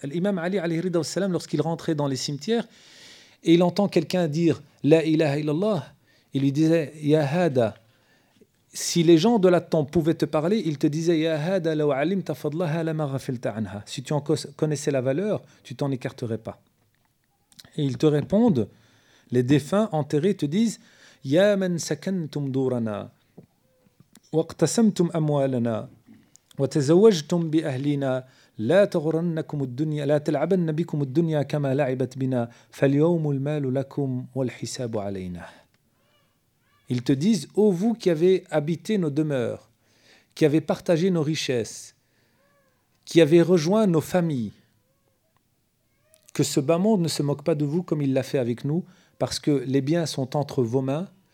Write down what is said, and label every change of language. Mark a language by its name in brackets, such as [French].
[French] L'imam Ali, alayhi salam, lorsqu'il rentrait dans les cimetières, et il entend quelqu'un dire « La ilaha illallah », il lui disait « Ya hada ». Si les gens de la tombe pouvaient te parler, ils te disaient « [Arabic] Ya hada law alimta fadlaha la maghafilta anha ». [French] Si tu en connaissais la valeur, tu t'en écarterais pas. Et ils te répondent, les défunts enterrés te disent [Arabic] « يا من سكنتم دورنا واقتسمتم أموالنا وتزوجتم بأهلنا لا تغرنكم الدنيا لا تلعبن بكم الدنيا كما لعبت بنا فاليوم المال لكم والحساب علينا. [French] Ils te disent, ô vous qui avez habité nos demeures, qui avez partagé nos richesses, qui avez rejoint nos familles, que ce bas monde ne se moque pas de vous comme il l'a fait avec nous, parce que les biens sont entre vos mains.